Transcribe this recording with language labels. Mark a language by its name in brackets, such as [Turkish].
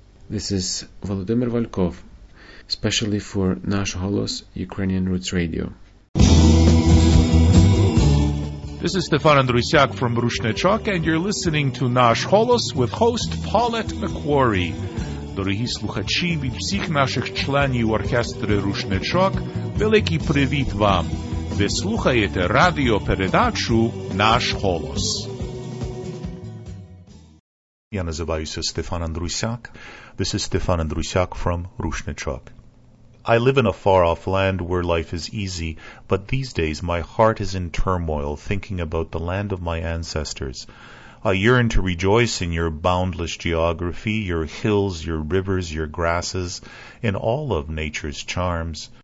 [English] This is Volodymyr Valkov, specially for Nash Holos, Ukrainian Roots Radio. This is Stefan Andrusiak from Rushnechok, and you're listening to Nash Holos with host Paulette McQuarrie. [Ukrainian] Дорогі слухачі від всіх наших членів оркестри Рушничок, великий привіт вам! Ви слухаєте радіопередачу «Наш голос». Я називаюся Стефан Андрусяк. [English] This is Stefan Andrusiak from Rushnichok. I live in a far-off land where life is easy, but these days my heart is in turmoil thinking about the land of my ancestors. I yearn to rejoice in your boundless geography, your hills, your rivers, your grasses, in all of nature's charms.